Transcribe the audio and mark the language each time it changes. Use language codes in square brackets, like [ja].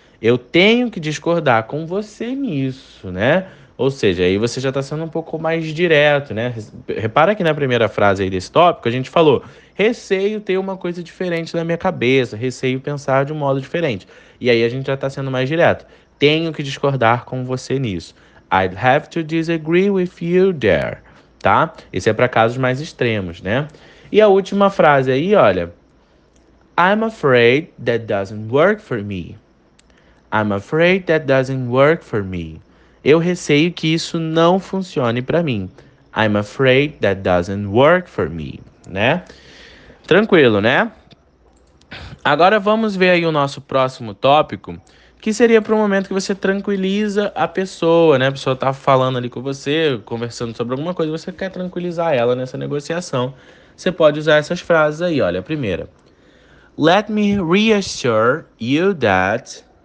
[pt] Eu tenho que discordar com você nisso, né? Ou seja, aí você já está sendo um pouco mais direto, né? Repara que na primeira frase aí desse tópico, a gente falou, receio ter uma coisa diferente na minha cabeça, receio pensar de um modo diferente. E aí a gente já está sendo mais direto. Tenho que discordar com você nisso. [en] I'd have to disagree with you there, tá? [pt] Esse é para casos mais extremos, né? E a última frase aí, olha. [en] I'm afraid that doesn't work for me. I'm afraid that doesn't work for me. [pt] Eu receio que isso não funcione para mim. [en] I'm afraid that doesn't work for me, né? [pt] Tranquilo, né? Agora vamos ver aí o nosso próximo tópico, que seria para o momento que você tranquiliza a pessoa, né? A pessoa está falando ali com você, conversando sobre alguma coisa, você quer tranquilizar ela nessa negociação. Você pode usar essas frases aí, olha, a primeira. [en] Let me reassure you that.